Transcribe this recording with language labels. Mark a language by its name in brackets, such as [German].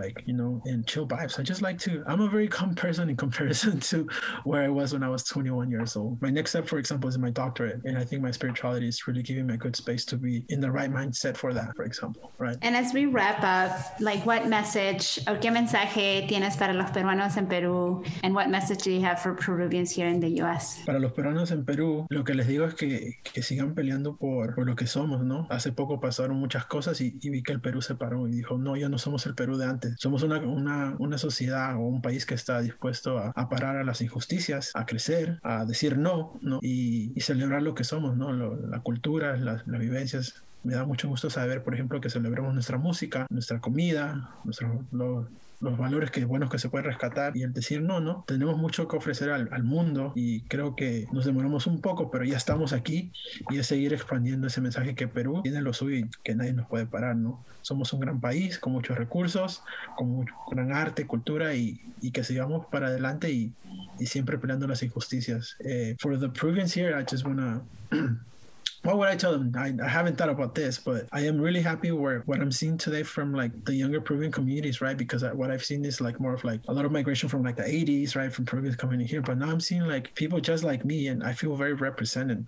[English] Like, you know, and chill vibes. I just like to, I'm a very calm person in comparison to where I was when I was 21 years old. My next step, for example, is my doctorate. And I think my spirituality is really giving me a good space to be in the right mindset for that, for example, right? And as we wrap up, like, what message or [Spanish] qué mensaje tienes para los peruanos en Perú? [English] And what message do you have for Peruvians here in the US? [Spanish] Para los peruanos en Perú, lo que les digo es que sigan peleando por lo que somos, ¿no? Hace poco pasaron muchas cosas y vi que el Perú se paró y dijo, no, ya no somos el Perú de antes. Somos una sociedad o un país que está dispuesto a parar a las injusticias, a crecer, a decir no, ¿no? Y celebrar lo que somos, ¿no? La cultura, las vivencias. Me da mucho gusto saber, por ejemplo, que celebramos nuestra música, nuestra comida, nuestro... los valores que buenos que se puede rescatar, y el decir no, tenemos mucho que ofrecer al mundo, y creo que nos demoramos un poco, pero ya estamos aquí, y es seguir expandiendo ese mensaje que Perú tiene lo suyo y que nadie nos puede parar, ¿no? Somos un gran país con muchos recursos, con gran arte, cultura, y que sigamos para adelante y siempre peleando las injusticias. [English] For the Peruvians here, I just wanna what would I tell them? I haven't thought about this, but I am really happy with what I'm seeing today from like the younger Peruvian communities, right? Because what I've seen is like more of like a lot of migration from like the 80s, right? From Peruvians coming in here. But now I'm seeing like people just like me, and I feel very represented.